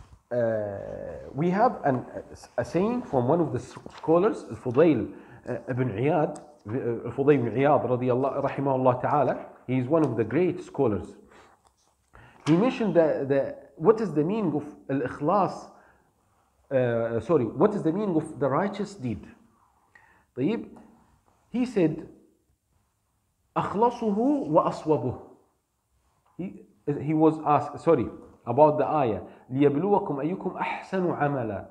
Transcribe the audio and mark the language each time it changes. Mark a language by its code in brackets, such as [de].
[en] We have a saying from one of the scholars, Al-Fudayl ibn Iyad, Al-Fudayl ibn Iyad radiyallahu rahimahullah ta'ala. He is one of the great scholars. He mentioned what is the meaning of al-ikhlas, what is the meaning of the righteous deed? طيب, he said, [ar] أَخْلَصُهُ وَأَصْوَبُهُ. [en] He was asked, about the ayah, [ar] لِيَبْلُوَكُمْ أَيُّكُمْ أَحْسَنُ عَمَلًا.